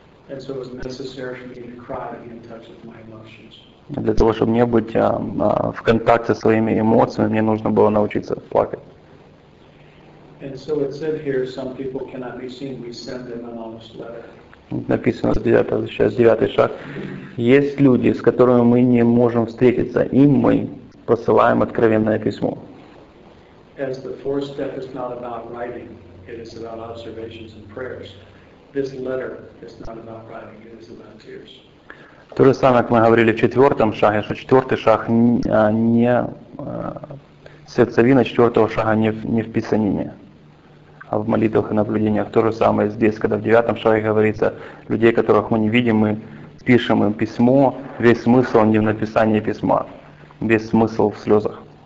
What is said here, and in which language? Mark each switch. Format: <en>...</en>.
<en>And so it was necessary for me to cry to be in touch with my emotions.</en> <ru>Для того, чтобы не быть в контакте со своими эмоциями, мне нужно было научиться плакать.</ru> <en>And so it said here, some people cannot be seen, we send them an honest letter.</en> <ru>Написано сейчас девятый шаг. Есть люди, с которыми мы не можем встретиться, и мы посылаем откровенное письмо.</ru> <en>As the fourth step is not about writing, it is about observations and prayers. This letter is not about writing, it is about tears.</en> <ru>То же самое, как мы говорили в четвертом шаге, что четвертый шаг не сердцевина четвертого шага не в писанине, а в молитвах и наблюдениях. То же самое здесь, когда в девятом шаге говорится, людей, которых мы не видим, мы пишем им письмо, весь смысл не в написании письма, весь смысл в слезах.</ru>